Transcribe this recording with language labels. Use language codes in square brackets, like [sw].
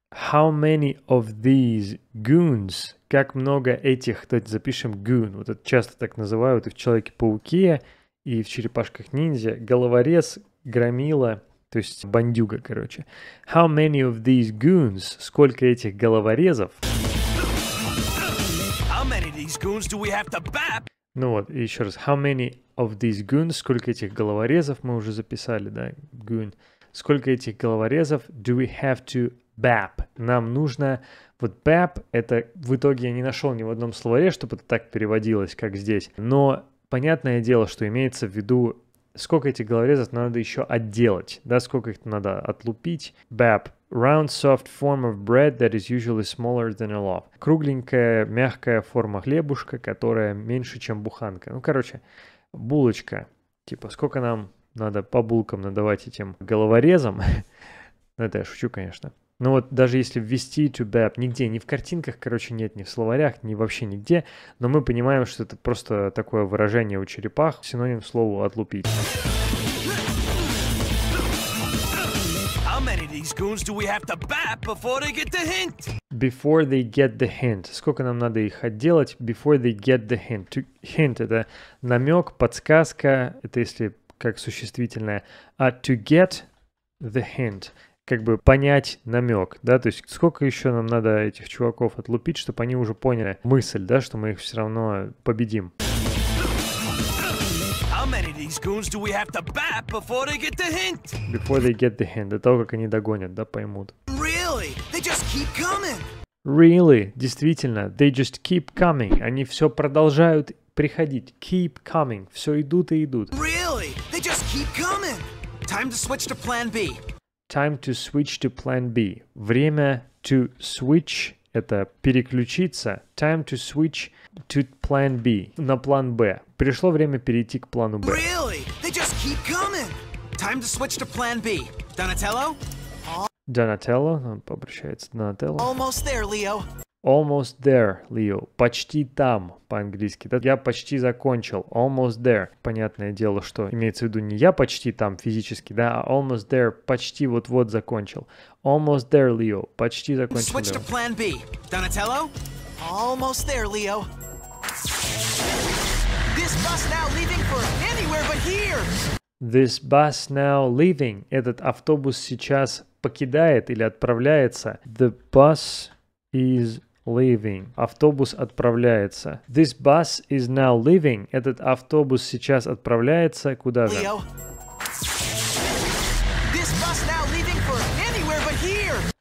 [en] How many of these goons? [ru] Как много этих, давайте запишем goon. Вот это часто так называют и в Человеке-пауке, и в Черепашках Ниндзя. Головорез, громила. То есть бандюга, короче. [en] How many of these goons? [ru] Сколько этих головорезов? [en] How many of these goons do we have to bap? [ru] Ну вот, и еще раз. [en] How many of these goons? [ru] Сколько этих головорезов мы уже записали, да? Goon. Сколько этих головорезов [en] do we have to bap? [ru] Нам нужно... Вот bap, это в итоге я не нашел ни в одном словаре, чтобы это так переводилось, как здесь. Но понятное дело, что имеется в виду... Сколько этих головорезов надо еще отделать, да, сколько их надо отлупить. [en] Bap, round soft form of bread that is usually smaller than a loaf. [ru] Кругленькая мягкая форма хлебушка, которая меньше, чем буханка. Ну, короче, булочка. Типа, сколько нам надо по булкам надавать этим головорезам? Ну, это я шучу, конечно. Ну вот, даже если ввести to bap, нигде, ни в картинках, короче, нет, ни в словарях, ни вообще нигде, но мы понимаем, что это просто такое выражение у черепах, синоним слову отлупить. [en] Before they get the hint. [ru] Сколько нам надо их отделать? [en] Before they get the hint. [ru] To hint — это намек, подсказка, это если как существительное. А to get the hint — как бы понять намек, да, то есть сколько еще нам надо этих чуваков отлупить, чтобы они уже поняли мысль, да, что мы их все равно победим. [en] How many of these goons do we have to bat before they get the hint? Before they get the hint, [ru] до того, как они догонят, да, поймут. [en] Really? They just keep coming. Really? [ru] Действительно, [en] they just keep coming. [ru] Они все продолжают приходить. [en] Keep coming. [ru] Все идут и идут. [en] Really? They just keep coming. Time to switch to plan B. Time to switch to plan B. [ru] Время [en] to switch — [ru] это переключиться. [en] Time to switch to plan B. [ru] На план Б. Пришло время перейти к плану Б. [en] Really? They just keep coming. Time to switch to plan B. Donatello? [ru] Donatello? Он обращается к Donatello. [en] Almost there, Leo. Almost there, [ru] Leo. Почти там, по-английски. Я почти закончил. [en] Almost there. [ru] Понятное дело, что имеется в виду не я почти там физически, да, а [en] almost there, [ru] почти вот-вот закончил. [en] Almost there, Leo. [ru] Почти закончил. [en] Switch to plan B. Donatello? Almost there, Leo. This bus now leaving for anywhere. anywhere but here. This bus now leaving. [ru] Этот автобус сейчас покидает или отправляется. [en] The bus is leaving. [ru] Автобус отправляется. [en] This bus is now leaving. [ru] Этот автобус сейчас отправляется куда же? [en] This bus now leaving for anywhere but here.